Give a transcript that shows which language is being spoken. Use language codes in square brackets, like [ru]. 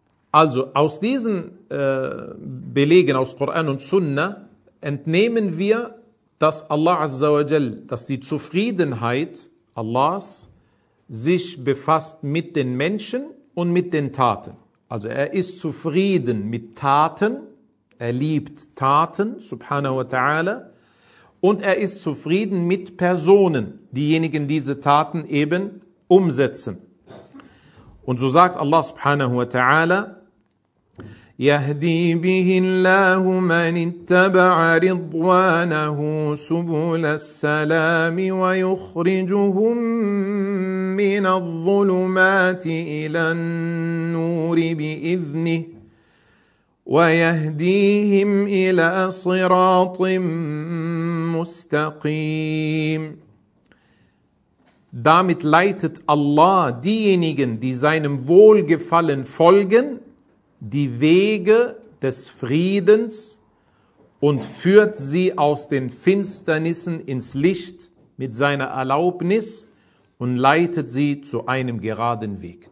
[de] Also aus diesen Belegen aus Koran und Sunna entnehmen wir, dass Allah Azza wa Jal, dass die Zufriedenheit Allahs sich befasst mit den Menschen und mit den Taten. Also er ist zufrieden mit Taten, er liebt Taten, subhanahu wa ta'ala, und er ist zufrieden mit Personen, diejenigen, diese Taten eben umsetzen. Und so sagt Allah subhanahu wa ta'ala: [ar] يهدي به الله من اتبع رضوانه سبل السلام ويخرجهم من الظلمات إلى النور بإذنه ويهديهم إلى صراط مستقيم. [de] Damit leitet Allah diejenigen, die seinem Wohlgefallen folgen, die Wege des Friedens und führt sie aus den Finsternissen ins Licht mit seiner Erlaubnis und leitet sie zu einem geraden Weg.